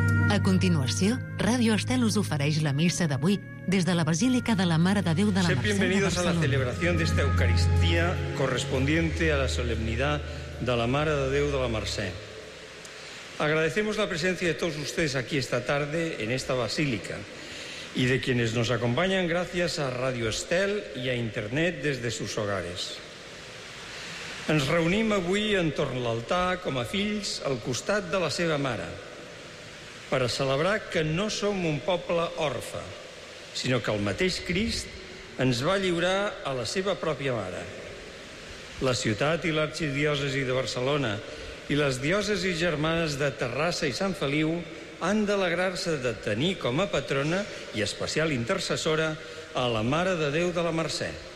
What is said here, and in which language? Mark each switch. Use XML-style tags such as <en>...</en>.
<ca>A continuació, Radio Astel us ofereix la missa d'avui des de la Basílica de la Mare de Déu de la Mercè.</ca> <es>Bienvenidos a la celebración de esta Eucaristía correspondiente a la solemnidad de la Mare de Déu de la Mercè. Agradecemos la presencia de todos ustedes aquí esta tarde en esta basílica y de quienes nos acompañan gracias a Radio Estel y a Internet desde sus hogares.</es> <ca>Ens reunim avui entorn l'altar com a fills al costat de la seva mare per a celebrar que no som un poble orfe, sinó que el mateix Crist ens va lliurar a la seva pròpia mare. La ciutat i l'arxidiòcesi de Barcelona i les diòcesis germanes de Terrassa i Sant Feliu han d'alegrar-se de tenir com a patrona i especial intercessora a la Mare de Déu de la Mercè.</ca>